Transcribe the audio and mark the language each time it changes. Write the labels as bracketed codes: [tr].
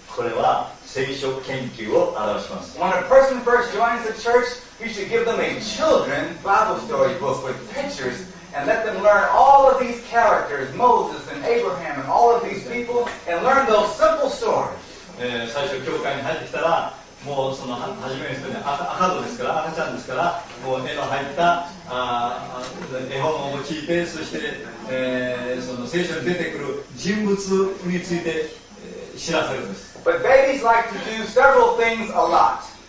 [ja] これは聖書研究を表します。 [en] When a person first joins the church, you should give them a children Bible story book with pictures and let them learn all of these characters, Moses and Abraham and all of these people, and learn those simple stories. [ja] 最初教会に入ってきたら、もうその初めの人に赤子ですから、赤ちゃんですから、もう絵の入った絵本を聞いて、そして、その聖書に出てくる人物について知らせるんです。 [en] But babies like to do several things a lot.